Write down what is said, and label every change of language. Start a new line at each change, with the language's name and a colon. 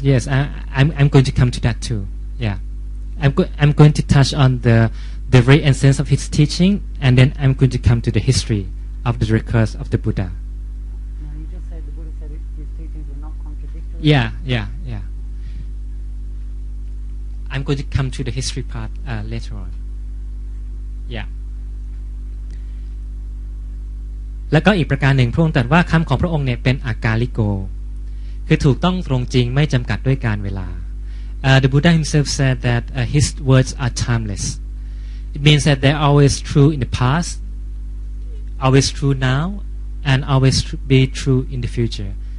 English: teachings are not? Yes, I'm going to come to that too. Yeah. I'm going to touch on the very essence of his teaching, and then I'm going to come to the history of the recurse of the Buddha. Now, you just said the Buddha said his teachings were not contradictory. Yeah. I'm going to come to the history part later on. Yeah.
Thai: แล้วก็อีกประการหนึ่งพระองค์ตรัสว่าคำของพระองค์เนี่ยเป็นอากาลิโกคือถูกต้องตรงจริงไม่จำกัดด้วยการเวลา
English: The Buddha himself said that his words are timeless. It means that they're always true in the past, always true now, and always be true in the future.